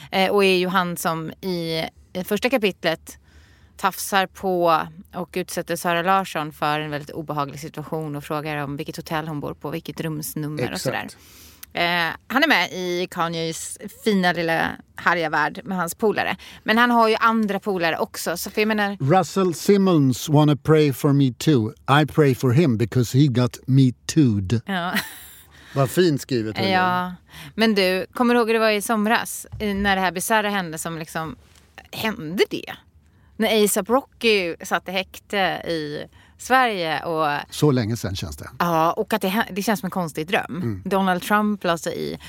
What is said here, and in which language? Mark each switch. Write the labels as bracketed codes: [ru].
[sv] Och är ju han som i första kapitlet tafsar på och utsätter Sara Larsson för en väldigt obehaglig situation och frågar om vilket hotell hon bor på, vilket rumsnummer. Exakt. Och sådär. Han är med i Kanyes fina lilla härliga värld med hans polare. Men han har ju andra polare också. Så för jag menar, [en] Russell Simmons wanna pray for me too. I pray for him because he got me too'd. [sv] Ja. Vad fint skrivet. Ja. Men du, kommer du ihåg hur det var i somras när det här bizarra hände, som liksom hände det? När A$AP Rocky satt i häkte i Sverige. Och så länge sedan känns det. Ja, och att det känns som en konstig dröm. Mm. Donald Trump la sig i.